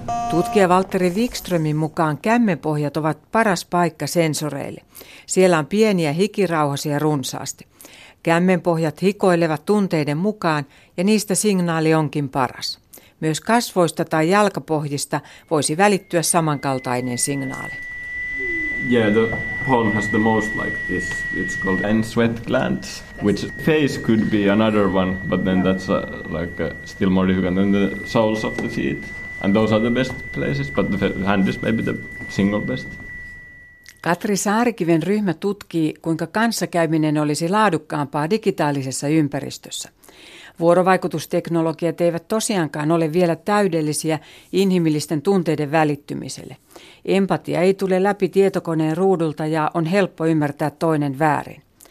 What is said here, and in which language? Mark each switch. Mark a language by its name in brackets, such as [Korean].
[Finnish] Tutkija Valtteri Wikströmin mukaan kämmenpohjat ovat paras paikka sensoreille. Siellä on pieniä hikirauhasia runsaasti. Kämmenpohjat hikoilevat tunteiden mukaan ja niistä signaali onkin paras. Myös kasvoista tai jalkapohjista voisi välittyä samankaltainen signaali. [English] Yeah, the palm has the most like this. It's called and sweat glands, which face could be another one, but then that's like still more difficult. And the soles of the feet, and those are the best places, but the hand is maybe the single best. [Finnish] Katri Saarikiven ryhmä tutkii, kuinka kanssakäyminen olisi laadukkaampaa digitaalisessa ympäristössä. Vuorovaikutusteknologiat eivät tosiaankaan ole vielä täydellisiä inhimillisten tunteiden välittymiselle. Empatia ei tule läpi tietokoneen ruudulta ja on helppo ymmärtää toinen väärin.